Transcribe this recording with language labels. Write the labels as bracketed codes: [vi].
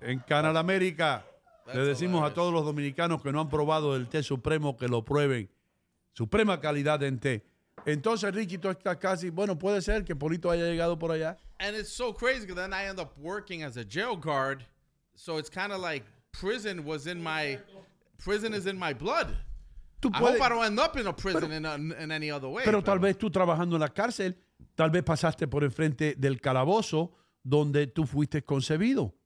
[es] En Canal América le decimos a todos los dominicanos que no han probado el té supremo que lo prueben. Suprema calidad en té. Entonces, Richie, tú estás casi... Bueno, puede ser que Polito haya llegado por allá. [en] And it's so crazy because then I end up working as a jail guard. So it's kind of like prison was in my... Prison is in my blood. I hope I don't end up in a prison in any other way. [es] Pero tal vez tú trabajando en la cárcel, tal vez pasaste por enfrente del calabozo donde tú fuiste concebido.